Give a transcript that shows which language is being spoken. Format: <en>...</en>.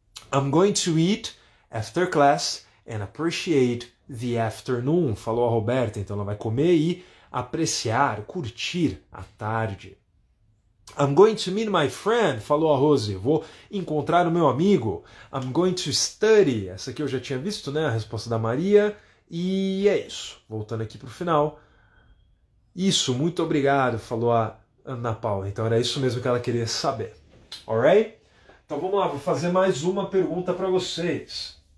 <en>I'm going to eat after class and appreciate the afternoon,</en> <pt>falou a Roberta. Então ela vai comer e apreciar, curtir a tarde.</pt> <en>I'm going to meet my friend,</en> <pt>falou a Rose. Vou encontrar o meu amigo.</pt> <en>I'm going to study.</en> <pt>Essa aqui eu já tinha visto, né? A resposta da Maria. E é isso. Voltando aqui para o final. Isso, muito obrigado, falou a Ana Paula. Então era isso mesmo que ela queria saber. Alright? Então vamos lá, vou fazer mais uma pergunta para vocês.</pt>